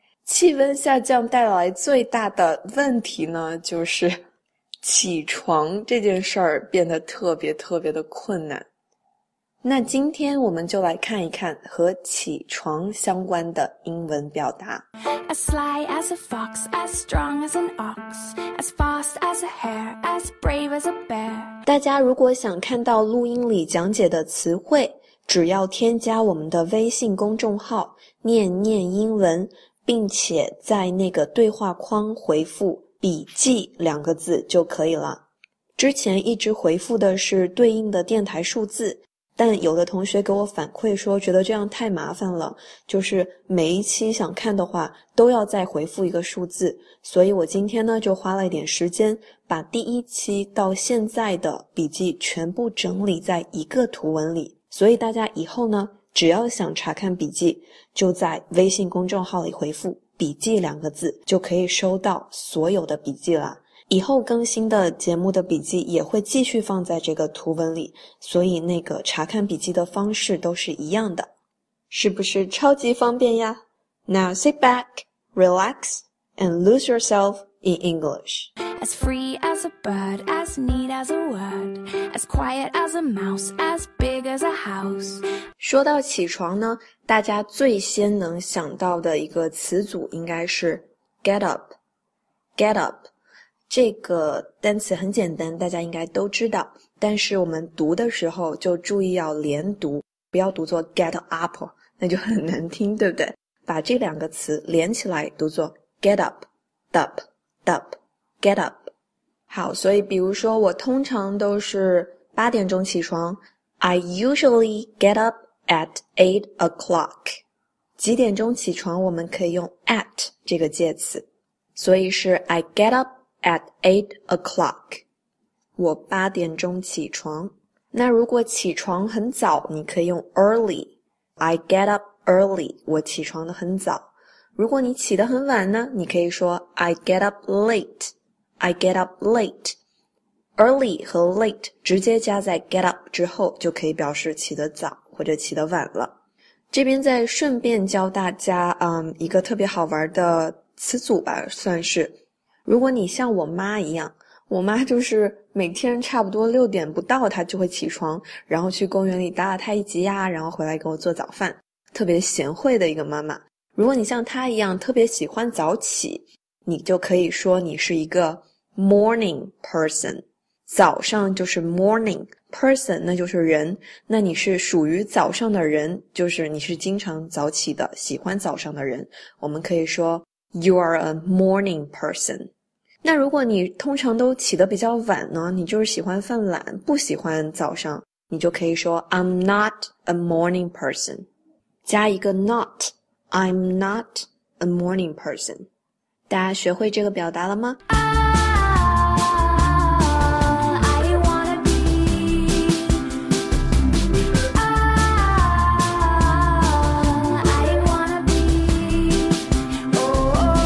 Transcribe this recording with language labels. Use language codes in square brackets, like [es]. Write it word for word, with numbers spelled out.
[zh] 气温下降带来最大的问题呢，就是起床这件事儿变得特别特别的困难。那今天我们就来看一看和起床相关的英文表达。 [en] As sly as a fox, as strong as an ox, as fast as a hare, as brave as a bear。 [zh] 大家如果想看到录音里讲解的词汇，只要添加我们的微信公众号念念英文，并且在那个对话框回复笔记两个字就可以了。之前一直回复的是对应的电台数字，但有的同学给我反馈说觉得这样太麻烦了，就是每一期想看的话都要再回复一个数字，所以我今天呢就花了一点时间把第一期到现在的笔记全部整理在一个图文里，所以大家以后呢只要想查看笔记，就在微信公众号里回复笔记两个字就可以收到所有的笔记了。以后更新的节目的笔记也会继续放在这个图文里，所以那个查看笔记的方式都是一样的，是不是超级方便呀？ [en] Now sit back, relax, and lose yourself in English. As free as a bird, as neat as a word, as quiet as a mouse, as big as a house。 [zh] 说到起床呢，大家最先能想到的一个词组应该是 get up。 get up 这个单词很简单，大家应该都知道，但是我们读的时候就注意要连读，不要读作 get up， 那就很难听，对不对？把这两个词连起来读作 [en] get up dup dup get up。 [zh] 好，所以比如说我通常都是八点钟起床， [en] I usually get up at eight o'clock。 [zh] 几点钟起床我们可以用 at 这个介词，所以是 [en] I get up at eight o'clock， [zh] 我八点钟起床。那如果起床很早，你可以用 early， [en] I get up early， [zh] 我起床的很早。如果你起得很晚呢，你可以说 [en] I get up late， I get up late。 [zh] early 和 late 直接加在 get up 之后就可以表示起得早或者起得晚了。这边再顺便教大家嗯，一个特别好玩的词组吧，算是。如果你像我妈一样，我妈就是每天差不多六点不到她就会起床，然后去公园里打打太极呀，然后回来给我做早饭，特别贤惠的一个妈妈。如果你像她一样特别喜欢早起，你就可以说你是一个 morning person。早上就是 morning， person 那就是人，那你是属于早上的人，就是你是经常早起的，喜欢早上的人，我们可以说 [en] You are a morning person。 [zh] 那如果你通常都起得比较晚呢，你就是喜欢犯懒，不喜欢早上，你就可以说 [en] I'm not a morning person， [zh] 加一个 not， I'm not a morning person。大家学会这个表达了吗？ [en] I, I don't wanna be I, I don't wanna be